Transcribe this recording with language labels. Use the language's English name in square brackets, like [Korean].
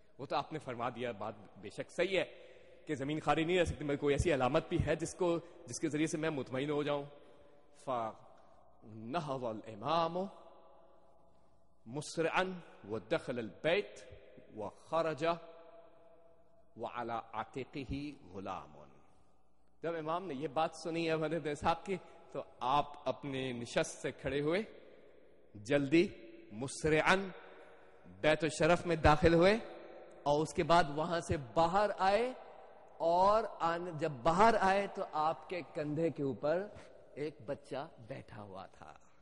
[Urdu] وہ تو آپ نے فرما دیا بات بے شک صحیح ہے کہ زمین خاری نہیں رہ سکتی, میں کوئی ایسی علامت بھی ہے جس کے ذریعے سے میں مطمئن ہو جاؤں. [Arabic] فنهض الامام مسرعا ودخل البيت وخرج وعلى عاتقه غلام. [Urdu] جب امام نے یہ بات سنی احمد بن اسحاق کی تو آپ اپنے نشست سے کھڑے ہوئے, جلدی مسرعا بیت الشرف میں داخل ہوئے اور اس کے بعد وہاں سے باہر آئے, اور جب باہر آئے تو آپ کے کندھے کے اوپر ایک بچہ بیٹھا ہوا تھا.